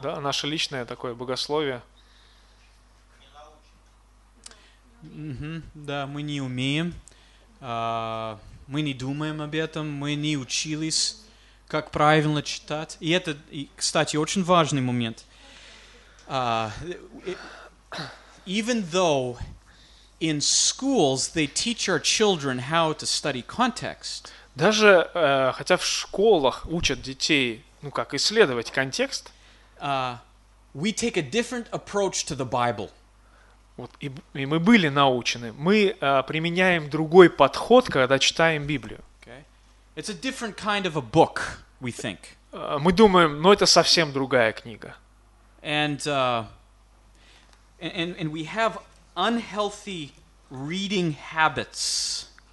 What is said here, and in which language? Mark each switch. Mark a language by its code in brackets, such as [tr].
[ru] Да, наше личное такое богословие. Да, мы не умеем, мы не думаем об этом, мы не учились. Как правильно читать. И это, кстати, очень важный момент. [en] Even though in schools they teach our children how to study context. [ru] Даже хотя в школах учат детей, ну, как исследовать контекст. [en] We take a different approach to the Bible. [ru] Вот, и мы были научены. Мы применяем другой подход, когда читаем Библию. [en] Okay. It's a different kind of a book. We think. [ru] Мы думаем, но это совсем другая книга. [en] And we have unhealthy reading habits.